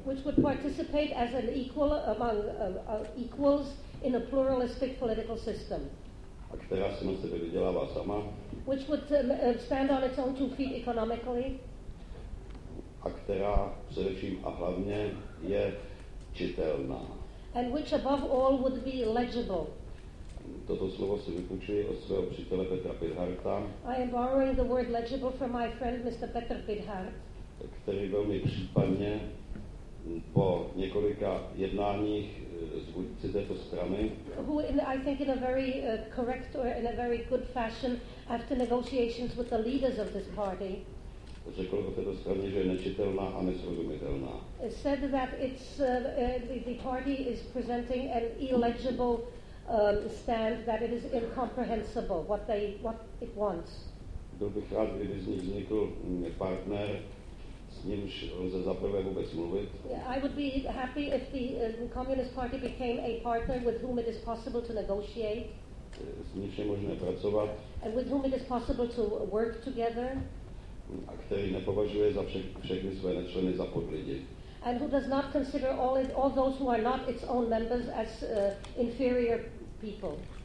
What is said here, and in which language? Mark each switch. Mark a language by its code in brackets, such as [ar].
[en] Which would participate as an equal among equals in a pluralistic political system. [cs] A která se na sebe vydělává sama. [en] Which would stand on its own two feet economically. [cs] A která především a hlavně je čitelná. [en] And which above all would be legible. [cs] Toto slovo si vypůjčuji od svého přítele Petra Pidharta. [en] I am borrowing the word legible from my friend Mr. Petr Pidhart. [cs] Který velmi případně po několika jednáních z vůdci této strany. [en] Who in, I think in a very correct or in a very good fashion after negotiations with the leaders of this party. [cs] Řekl o této straně, že je nečitelná a nesrozumitelná. [en] Said that it's the party is presenting an illegible stand, that it is incomprehensible what it wants. [cs] Byl bych rád, kdyby z nich vznikl partner, s nímž lze zaprvé vůbec mluvit. [en] I would be happy if the Communist Party became a partner with whom it is possible to negotiate. [cs] S nímž je možné pracovat. [en] And with whom it is possible to work together. [cs] A který nepovažuje za všechny své nečleny za podlidi. [en] And who does not consider all those who are not its own members as inferior people.